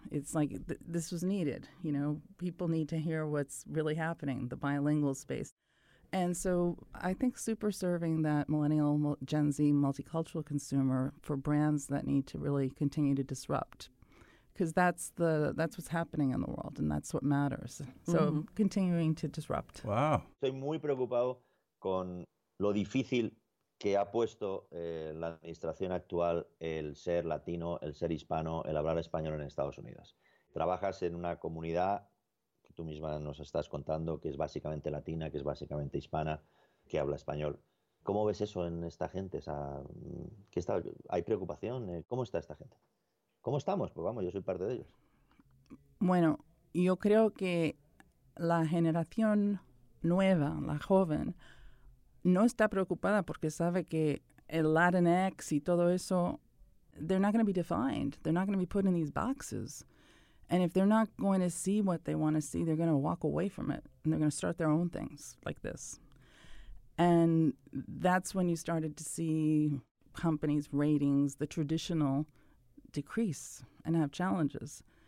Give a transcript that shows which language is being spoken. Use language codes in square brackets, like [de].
[en] It's like this was needed. You know, people need to hear what's really happening, the bilingual space. And so I think super serving that millennial, Gen Z, multicultural consumer for brands that need to really continue to disrupt. Because that's what's happening in the world, and that's what matters. Mm-hmm. So continuing to disrupt. Wow. [es] Estoy muy preocupado con lo difícil que ha puesto la administración actual el ser latino, el ser hispano, el hablar español en Estados Unidos. Trabajas en una comunidad que tú misma nos estás contando, que es básicamente latina, que es básicamente hispana, que habla español. ¿Cómo ves eso en esta gente? O sea, ¿hay preocupación? ¿Cómo está esta gente? ¿Cómo estamos? Pues vamos, yo soy parte de ellos. Bueno, yo creo que la generación nueva, la joven, no está preocupada porque sabe que el Latinx y todo eso [en] they're not going to be defined. They're not going to be put in these boxes. And if they're not going to see what they want to see, they're going to walk away from it, and they're going to start their own things like this. And that's when you started to see companies' ratings, the traditional, decrease and have challenges.